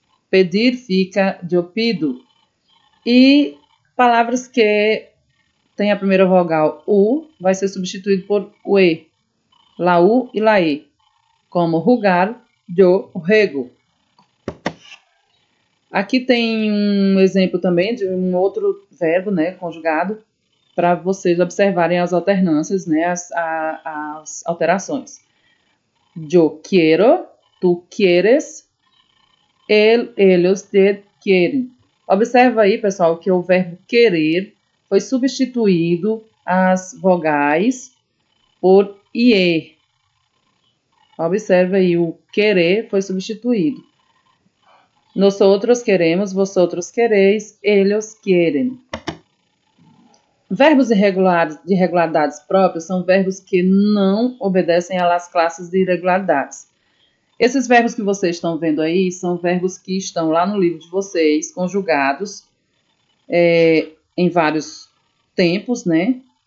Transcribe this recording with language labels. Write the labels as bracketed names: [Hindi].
[Portuguese] Pedir fica [Spanish] yo pido. [Portuguese] E palavras que têm a primeira vogal u vai ser substituído por ue, [Spanish] la u e la e, [Portuguese] como rugar, [Spanish] yo ruego. [Portuguese] Aqui tem um exemplo também de um outro verbo, né, conjugado, para vocês observarem as alternâncias, né, as alterações. [Spanish] Yo quiero, tú quieres, él, ellos, te quieren. [Portuguese] Observa aí, pessoal, que o verbo querer foi substituído as vogais por ie. Observa aí, o querer foi substituído. [Spanish] Nosotros queremos, vosotros quereis, ellos quieren. [Portuguese] Verbos irregulares de irregularidades próprias são verbos que não obedecem às classes de irregularidades. Esses verbos que vocês estão vendo aí são verbos que estão lá no livro de vocês, conjugados em vários tempos, né?